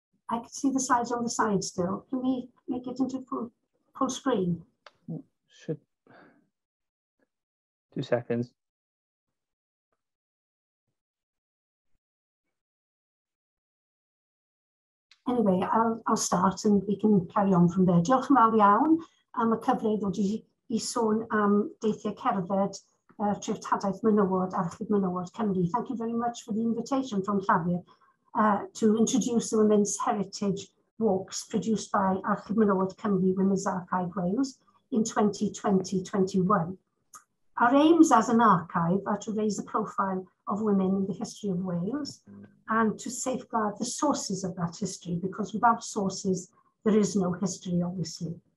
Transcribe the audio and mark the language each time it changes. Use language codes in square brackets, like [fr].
[en] I can see the slides on the side still. Can we make it into full screen? Should. 2 seconds. Anyway, I'll start and we can carry on from there. [cy] Diolch yn fawr iawn am y cyfle I ddod I sôn am deithiau cerdded treftadaeth menywod, archif menywod Cymru. [en] Thank you very much for the invitation from Llafur. To introduce the Women's Heritage Walks produced by Archif Menywod Cymru Women's Archive Wales in 2020-21. Our aims as an archive are to raise the profile of women in the history of Wales and to safeguard the sources of that history, because without sources, there is no history, obviously.